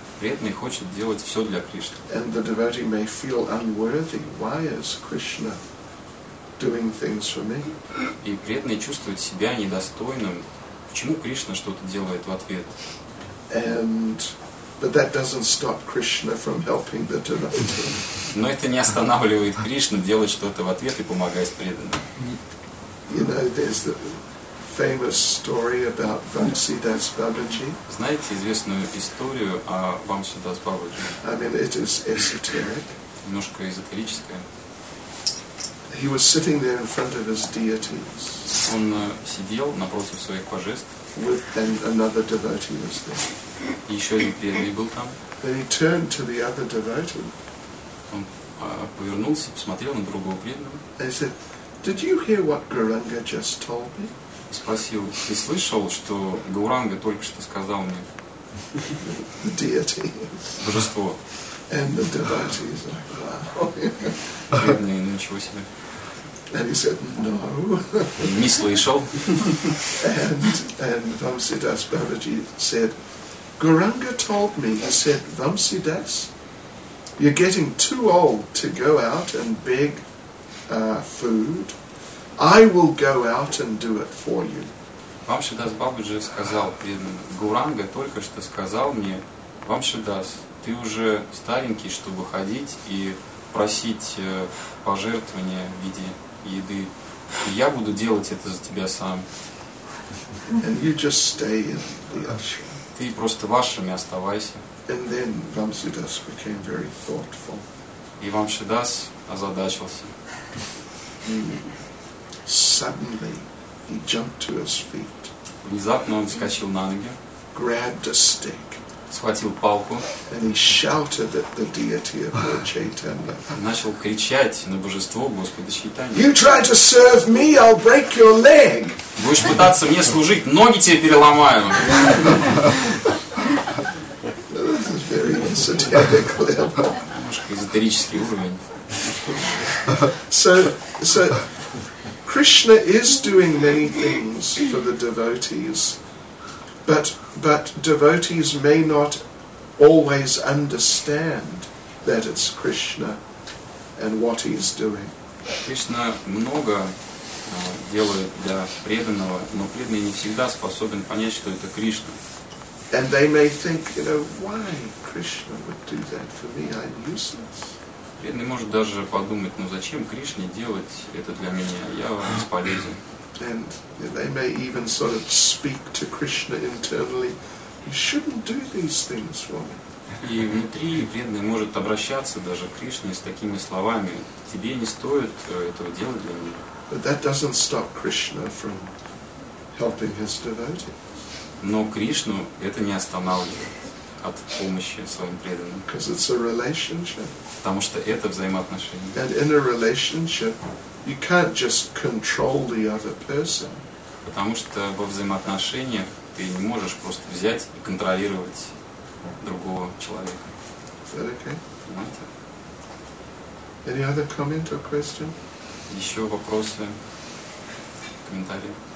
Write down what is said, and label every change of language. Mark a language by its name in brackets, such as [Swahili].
[Russian] Преданный хочет делать все для Кришны. [English] And the devotee may feel unworthy. Why is Krishna doing things for me? [Russian] И преданный чувствует себя недостойным. Почему Кришна что-то делает в ответ? [English] And but that doesn't stop Krishna from helping the devotee. [Russian] Но это не останавливает Кришну делать что-то в ответ и помогать преданным. [English] You know, there's the famous story about Vamsidas Babaji. [Russian] Знаете известную историю о Vamsidas Babaji? [English] I mean, it is esoteric. [Russian] Немножко эзотерическое. [English] He was sitting there in front of his deities. [Russian] Он сидел напротив своих божеств. [English] With and another devotee was there. [Russian] Еще один преданный был там. [English] Then he turned to the other devotee. [Russian] Он повернулся, посмотрел на другого преданного. [English] He said, "Did you hear what Gauranga just told me?" [Russian] Спросил, ты слышал, что Гауранга только что сказал мне? [English] The deity. [Russian] Божество. [English] And the devotee is like, wow. [Russian] Бедный, ну ничего себе. [English] And he said, no. [Russian] Не слышал. [English] And Vamsidas Babaji said, Gauranga told me, he said, Vamsidas, you're getting too old to go out and beg food. I will go out and do it for you. [Russian] Вамшидас Бабаджи сказал преданным, Гауранга только что сказал мне, Вамшидас, ты уже старенький, чтобы ходить и просить пожертвования в виде еды. Я буду делать это за тебя сам. [English] And you just stay in the ashram. [Russian] Ты просто в ашраме оставайся. [English] And then Vamsidas became very thoughtful. [Russian] И Вамшидас озадачился. [English] Suddenly, he jumped to his feet. [Russian] Внезапно он вскочил на ноги. [English] Grabbed a stick. [Russian] Схватил палку. [English] And he shouted at the deity of Lord Chaitanya. [Russian] Начал кричать на божество Господа Чайтанья. [English] You try to serve me, I'll break your leg. [Russian] Будешь пытаться мне служить, ноги тебе переломаю. [English] This is very esoteric level. [Russian] Немножко эзотерический уровень. [English] So. Krishna is doing many things for the devotees, but devotees may not always understand that it's Krishna and what he's doing. [Russian] Кришна много делает для преданного, но преданный не всегда способен понять, что это Кришна. [English] And they may think, you know, why Krishna would do that for me? I'm useless. [Russian] Преданный может даже подумать, ну зачем Кришне делать это для меня, я бесполезен. [English] And they may even sort of speak to Krishna internally, you shouldn't do these things for me. [Russian] И внутри преданный может обращаться даже к Кришне с такими словами, тебе не стоит этого делать для меня. [English] But that doesn't stop Krishna from helping his devotees. [Russian] Но Кришну это не останавливает от помощи своим преданным. [English] Because it's a relationship. [Russian] Потому что это взаимоотношения. [English] And in a relationship, you can't just control the other person. [Russian] Потому что во взаимоотношениях ты не можешь просто взять и контролировать другого человека. [English] Is that okay? [Russian] Понимаете? [English] Any other comment or question? [Russian] Еще вопросы? Комментарии?